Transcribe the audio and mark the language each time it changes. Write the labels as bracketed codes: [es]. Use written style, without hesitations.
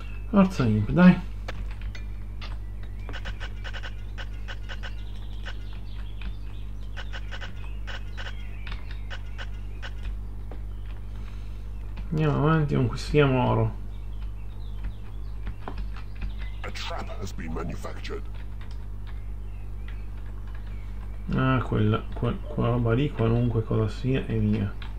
[it] Forza imp, dai. Andiamo avanti, conquistiamo oro. [en] A trap has been manufactured. [it] Ah, quella roba lì, qualunque cosa sia, è mia.